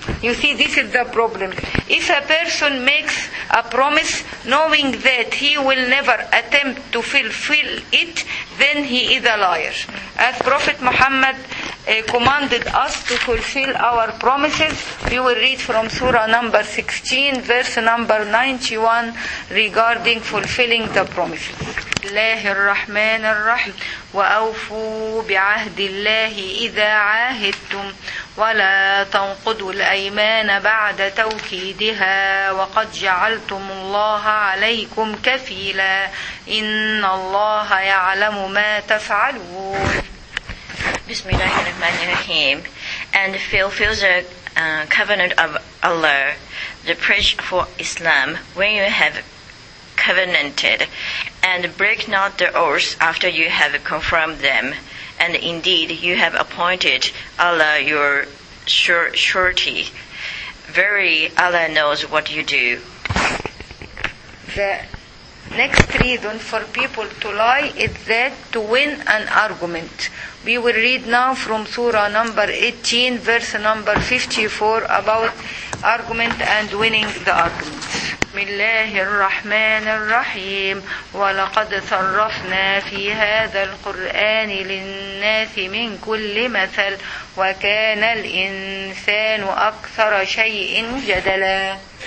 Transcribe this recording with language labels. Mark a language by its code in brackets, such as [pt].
[en] You see, this is the problem. If a person makes a promise, knowing that he will never attempt to fulfill it, then he is a liar. As Prophet Muhammad commanded us to fulfill our promises, we will read from Surah number 16, verse number 91, regarding fulfilling the promises. [ar] الله الرحمن الرحيم وأوفوا بعهد الله إذا عاهدتم ولا تنقضوا الأيمان بعد توكيدها وقد جعلتم الله عليكم كفيلا إن الله يعلم ما تفعلون. بسم الله الرحمن الرحيم. [en] And fulfill the covenant of Allah, the pledge for Islam, when you have covenanted, and break not the oaths after you have confirmed them, and indeed you have appointed Allah your surety. Verily, Allah knows what you do. The next reason for people to lie is that to win an argument. We will read now from Surah number 18, verse number 54, about argument and winning the argument. [ar] بسم الله الرحمن الرحيم ولقد صرفنا في هذا القرآن للناس من كل مثل وكان الإنسان أكثر شيء جدلا.